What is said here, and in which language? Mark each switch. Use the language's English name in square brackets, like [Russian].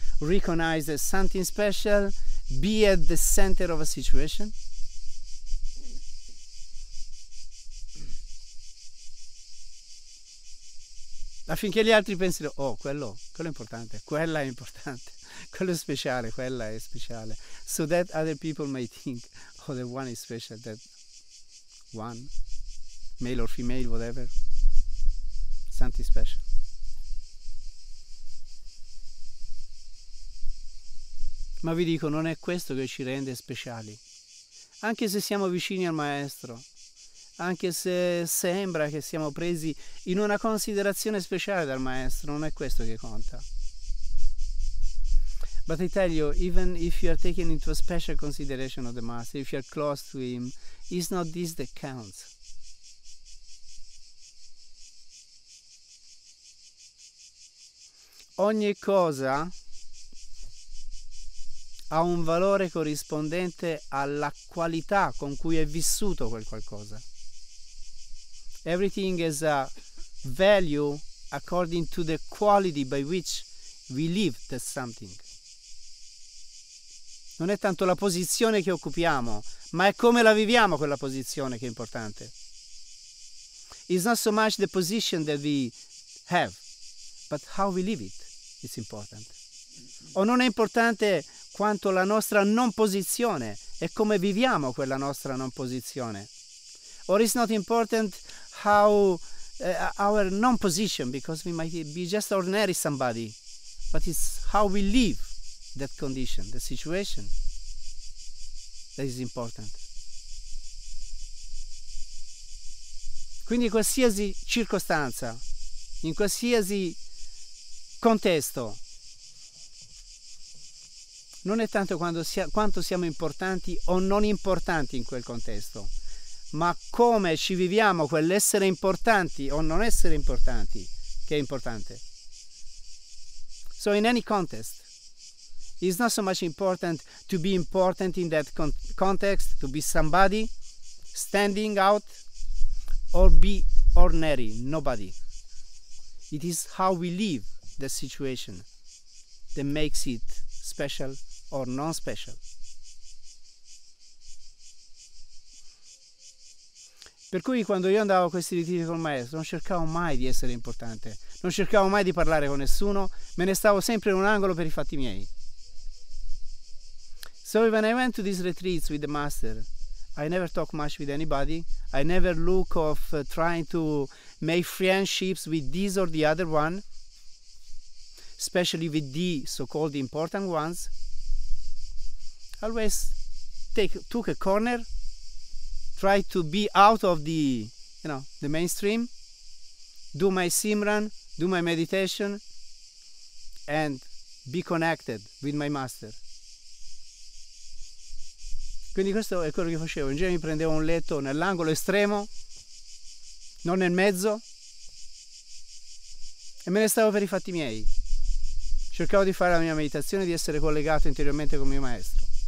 [English] Recognize as something special, be at the center of a situation. [Italian] Affinché gli altri pensino, oh, quello è importante, quella è importante, quello è speciale, quella è speciale. [English] So that other people may think, oh, the one is special, that one, male or female, whatever, something special. [Italian] Ma vi dico, non è questo che ci rende speciali. Anche se siamo vicini al maestro, anche se sembra che siamo presi in una considerazione speciale dal maestro, non è questo che conta. [English] But I tell you, even if you are taken into a special consideration of the master, if you are close to him, it's not this that counts. [Italian] Ogni cosa ha un valore corrispondente alla qualità con cui è vissuto quel qualcosa. [English] Everything has a value according to the quality by which we live that something. [Italian] Non è tanto la posizione che occupiamo, ma è come la viviamo quella posizione che è importante. [English] It's not so much the position that we have, but how we live it is important. [Italian] O non è importante quanto la nostra non posizione, è come viviamo quella nostra non posizione. [English] Or it's not important how our non position, because we might be just ordinary somebody, but it's how we live that condition, the situation, that is important. [Italian] Quindi in qualsiasi circostanza, in qualsiasi contesto, non è tanto quanto siamo importanti o non importanti in quel contesto, ma come ci viviamo quell'essere importanti o non essere importanti che è importante. [English] So in any context, it's not so much important to be important in that context, to be somebody standing out, or be ordinary, nobody. It is how we live the situation that makes it special or non-special. [Italian] Per cui quando io andavo a questi ritiri con il maestro non cercavo mai di essere importante, non cercavo mai di parlare con nessuno, me ne stavo sempre in un angolo per i fatti miei. [English] So when I went to these retreats with the master, I never talk much with anybody, I never look of trying to make friendships with this or the other one, especially with the so-called important ones. Always took a corner, try to be out of the, you know, the mainstream, do my simran, do my meditation, and be connected with my master. [Italian] Quindi questo è quello che facevo. In genere mi prendevo un letto nell'angolo estremo, non nel mezzo, e me ne stavo per i fatti miei. Cercavo di fare la mia meditazione, di essere collegato interiormente con mio maestro.